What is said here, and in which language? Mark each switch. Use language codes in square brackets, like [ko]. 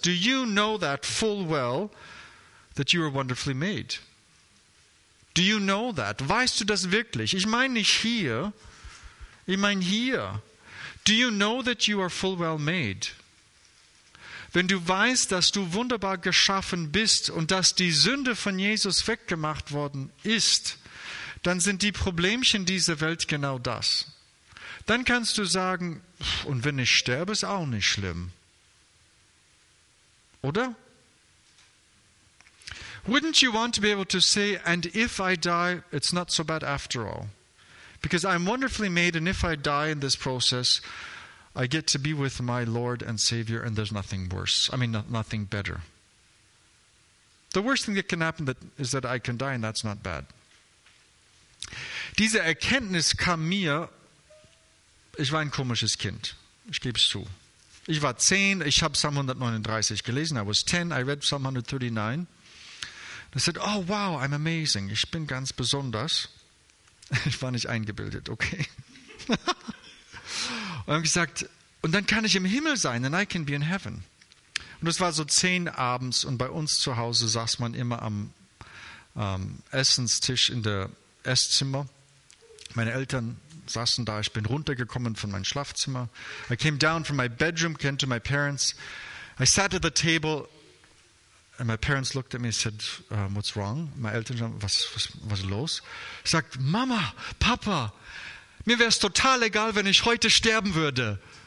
[en] Do you know that full well that you are wonderfully made? Do you know that? [de] Weißt du das wirklich? Ich meine nicht hier. Ich meine hier. [en] Do you know that you are full well made? [de] Wenn du weißt, dass du wunderbar geschaffen bist und dass die Sünde von Jesus weggemacht worden ist, dann sind die Problemchen dieser Welt genau das. Dann kannst du sagen, und wenn ich sterbe, ist auch nicht schlimm. Oder? [en] Wouldn't you want to be able to say, and if I die, it's not so bad after all? Because I'm wonderfully made, and if I die in this process, I get to be with my Lord and Savior, and there's nothing worse. I mean, nothing better. The worst thing that can happen is that I can die, and that's not bad. [de] Diese Erkenntnis kam mir, ich war ein komisches Kind, ich gebe es zu. Ich war 10, ich habe Psalm 139 gelesen, [en] I was 10, I read Psalm 139. [de] Und ich sagte, [en] oh wow, I'm amazing, [de] ich bin ganz besonders. Ich war nicht eingebildet, okay. Und habe gesagt, und dann kann ich im Himmel sein, [en] and I can be in heaven. [de] Und es war so 10 abends und bei uns zu Hause saß man immer am Essenstisch in der Esszimmer. Meine Eltern saßen da, ich bin runtergekommen von meinem Schlafzimmer. [en] I came down from my bedroom, came to my parents. I sat at the table and my parents looked at me and said, what's wrong? [de] My Eltern sagen, was ist los? Sagt, Mama, Papa, mir wäre es total egal, wenn ich heute sterben würde.